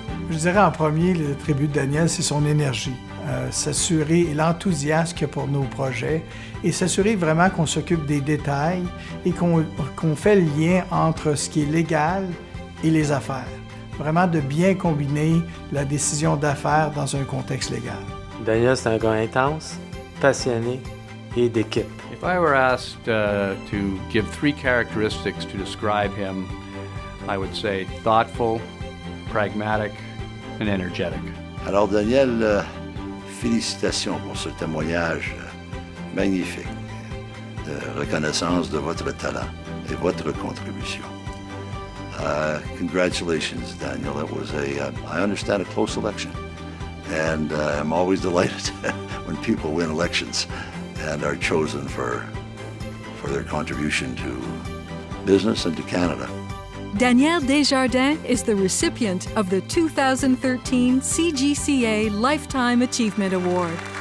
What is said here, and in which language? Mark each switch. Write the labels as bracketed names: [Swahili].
[French] Je dirais en premier, le tribut de Danielle, c'est son énergie. s'assurer l'enthousiasme qu'il y a pour nos projets et s'assurer vraiment qu'on s'occupe des détails et qu'on fait le lien entre ce qui est légal et les affaires. Vraiment de bien combiner la décision d'affaires dans un contexte légal. Daniel, c'est un gars intense, passionné et d'équipe. [English] If I were asked to give three characteristics to describe him, I would say thoughtful, pragmatic, and energetic. [French] Alors Daniel, félicitations pour ce témoignage magnifique de reconnaissance de votre talent et votre contribution. [English] Congratulations, Daniel. It was I understand a close election, and I'm always delighted when people win elections and are chosen for their contribution to business and to Canada. Daniel Desjardins is the recipient of the 2013 CGCA Lifetime Achievement Award.